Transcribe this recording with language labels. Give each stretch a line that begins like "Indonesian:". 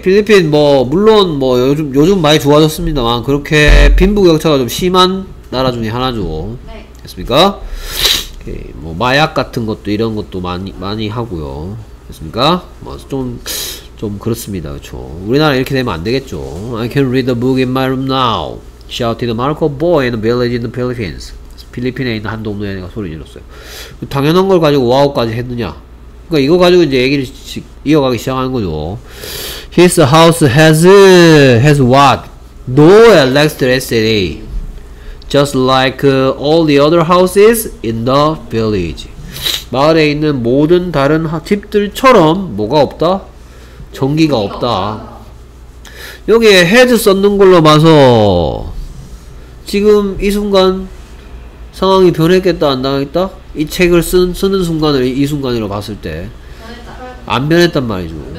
Korean: 필리핀 뭐 물론 뭐 요즘 많이 좋아졌습니다만 그렇게 빈부격차가 좀 심한 나라 중에 하나죠. 됐습니까? 오케이. 뭐 마약 같은 것도 이런 것도 많이 하고요. 됐습니까? 뭐 좀 그렇습니다. 그렇죠. 우리나라 이렇게 되면 안 되겠죠.
English: I can read a book in my room now. Shouted Marco boy in a village in the Philippines.
Korean: 필리핀에 있는 한 동네에 내가 소리 질렀어요. 당연한 걸 가지고 와우까지 했느냐? 그러니까 이거 가지고 이제 얘기를 이어가기 시작하는 거죠.
English: His house has what? No electricity. Just like all the other houses in the village.
Korean: 마을에 있는 모든 다른 집들처럼 뭐가 없다? 전기가 없다. 여기에 has 썼는 걸로 봐서 지금 이 순간 상황이 변했겠다 안 당했다? 이 책을 쓰는 순간을 이 순간으로 봤을 때 안 변했단 말이죠.